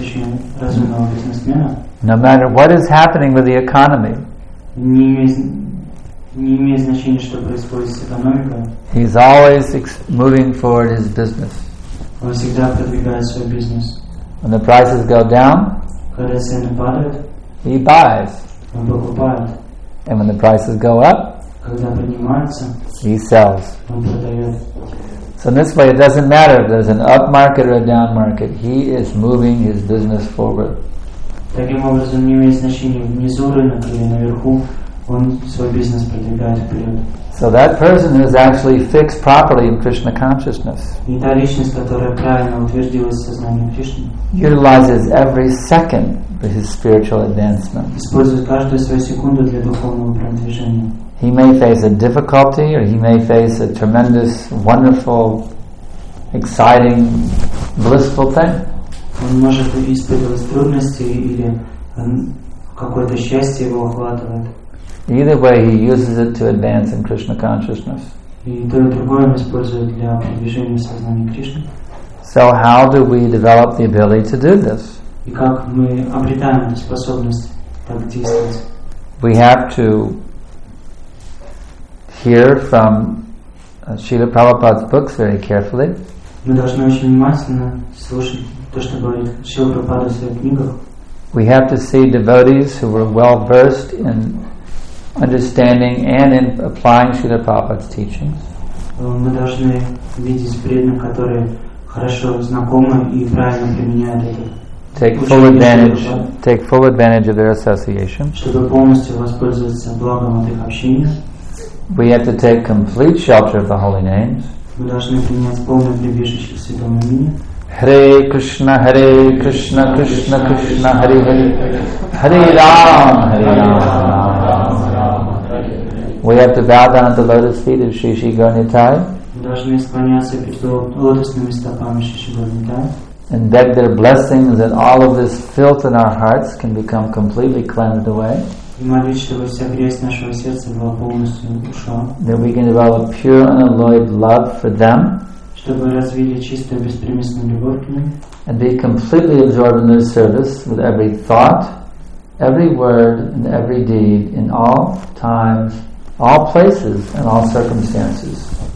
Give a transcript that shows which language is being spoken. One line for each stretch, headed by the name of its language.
English: No matter what is happening with the economy,
Russian: не имеет значения, что происходит с экономикой.
English: He's always moving forward his business.
Russian: Он всегда продвигает свой бизнес.
English: When the prices go down,
Russian: когда цены падают,
English: he buys.
Russian: Он покупает.
English: And when the prices go up,
Russian: когда поднимаются,
English: he sells.
Russian: Он продает.
English: So in this way, it doesn't matter if there's an up market or a down market. He is moving his business forward.
Russian: Таким образом, не имеет значения, внизу рынок или наверху. Он свой бизнес продвигает вперед.
English: So that person is actually fixed properly in Krishna consciousness.
Russian: И та личность, которая правильно утвердилась в сознании Кришны,
English: utilizes every second for his spiritual advancement.
Russian: Использует каждую свою секунду для духовного продвижения.
English: He may face a difficulty, or he may face a tremendous, wonderful, exciting, blissful thing.
Russian: Он может испытывать трудности или какое-то счастье его охватывает.
English: Either way, he uses it to advance in Krishna consciousness. So how do we develop the ability to do this? We have to hear from Srila Prabhupada's books very carefully.
Russian: Мы должны очень внимательно слушать то, что говорит Шрила Прабхупада в своих книгах.
English: We have to see devotees who were well versed in understanding and in applying Srila Prabhupada's teachings.
Russian: Мы должны видеть преданных, которые хорошо знакомы и правильно применяют это.
English: Take full advantage of their association.
Russian: Чтобы полностью воспользоваться благом от их общения.
English: We have to take complete shelter of the holy names.
Russian: Мы должны принять полное прибежище к святому имени.
Sanskrit: Hare Krishna, Krishna Krishna, Hare Hare, Hare Ram, Hare Ram, Ram Ram, Ram Ram.
English: We have to bow down at the lotus feet of Sri Sri Gaurinitai.
Russian: Мы должны склоняться перед лотосными стопами Шри Шри Гаурнитай.
English: And beg their blessings that all of this filth in our hearts can become completely cleansed away. That we can develop a pure unalloyed love for them. And be completely absorbed in their service with every thought, every word, and every deed in all times, all places, and all circumstances.